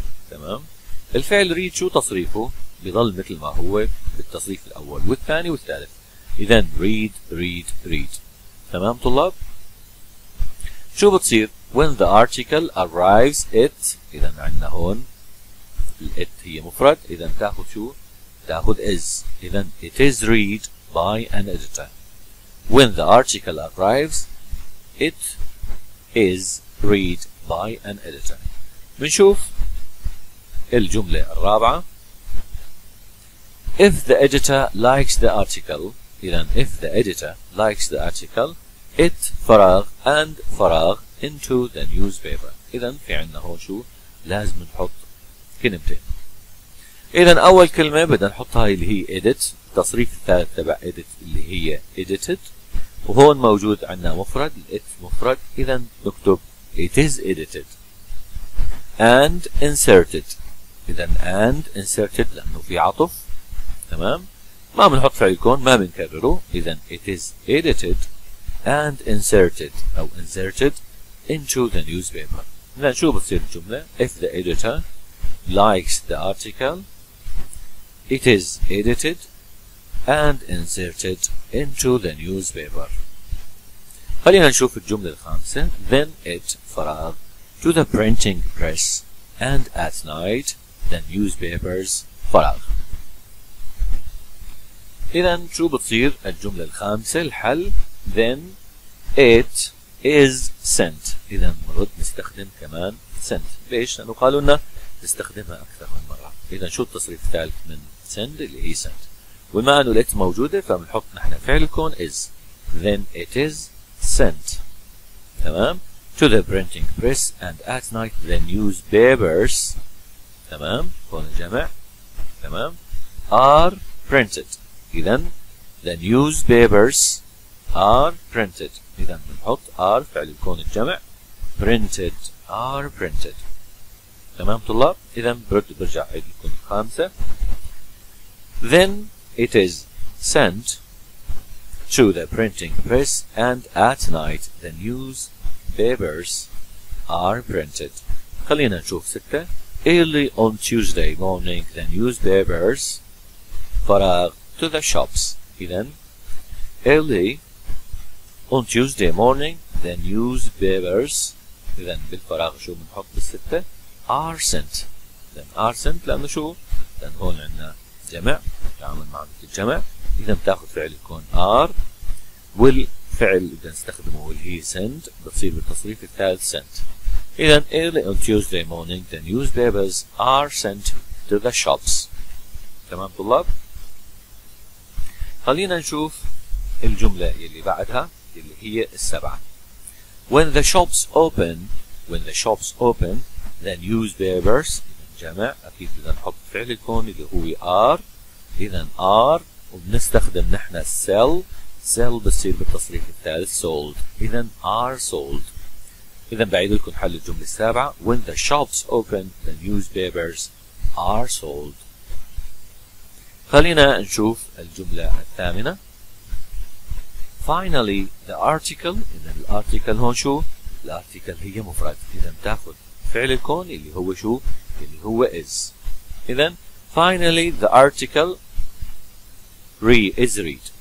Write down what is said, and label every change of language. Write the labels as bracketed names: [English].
[Arabic] تمام؟ الفعل read شو تصريفه؟ بيظل مثل ما هو بالتصريف الأول والثاني والثالث. [English] إذن read read read. [Arabic] تمام طلاب؟ شو بتصير؟ [English] when the article arrives it، [Arabic] إذن عندنا هون it هي مفرد، إذن تأخذ شو؟ تأخذ is. [English] إذن it is read by an editor. when the article arrives it is read by an editor. [Arabic] بنشوف الجملة الرابعة. [English] If the editor likes the article, إذن if the editor likes the article, it فراغ and فراغ into the newspaper. [Arabic] إذن في عندنا هون شو لازم نحط كلمتين. إذن أول كلمة بدنا نحطها اللي هي edit، التصريف الثالث تبع edit اللي هي edited، وهون موجود عندنا مفرد it مفرد، إذن نكتب [English] it is edited and inserted. [Arabic] إذن [English] and inserted [Arabic] لأنه في عطف. تمام، ما بنحط فعل الكون ما بنكرره. [English] اذا it is edited and inserted او inserted into the newspaper. اذا [Arabic] شو بتصير الجمله؟ [English] if the editor likes the article it is edited and inserted into the newspaper. [Arabic] خلينا نشوف الجمله الخامسه. [English] then it فراغ to the printing press and at night the newspapers فراغ. [Arabic] إذن شو بتصير الجملة الخامسة؟ الحل [English] then it is sent. [Arabic] إذن مرد نستخدم كمان sent. ليش؟ لأنه قالوا لنا نستخدمها أكثر من مرة. إذن شو التصريف الثالث من send اللي هي sent؟ وما أنه it موجودة فبنحط نحن فعل الكون is. [English] then it is sent. تمام؟ to the printing press and at night the newspapers. [Arabic] تمام؟ كون الجمع. تمام؟ [English] are printed. إذن the newspapers are printed. [Arabic] إذن بنحط are فعل الكون الجمع [English] printed are printed. [Arabic] تمام طلاب؟ إذا برجع عيد لكم الخامسة. [English] Then it is sent to the printing press and at night the newspapers are printed. [Arabic] خلينا نشوف ستة. [English] Early on Tuesday morning the newspapers فراغ to the shops. إذا early on Tuesday morning the newspapers [Arabic] إذا بالفراغ شو بنحط بالستة [English] are sent. Then are sent [Arabic] لأنه شو؟ لأن هون عندنا جمع تعامل مع الجمع. إذا بتاخذ فعل يكون are والفعل اللي بدنا نستخدمه اللي هي sent بتصير بالتصريف الثالث sent. [English] إذا early on Tuesday morning the newspapers are sent to the shops. [Arabic] تمام طلاب؟ خلينا نشوف الجملة اللي بعدها اللي هي السبعة. [English] When the shops open the newspapers [Arabic] جمع أكيد بدنا نحط فعل يكون اللي هو are. إذا are وبنستخدم نحن sell بصير بالتصريف الثالث sold. [English] إذا are sold. [Arabic] إذا بعيد لكم حل الجملة السابعة. [English] When the shops open the newspapers are sold. [Arabic] خلينا نشوف الجملة الثامنة. [English] Finally the article. [Arabic] إذا الارتيكل هون شو؟ الارتيكل هي مفرد. إذا تأخذ فعل الكون اللي هو شو؟ اللي هو is. [English] إذا finally the article is read.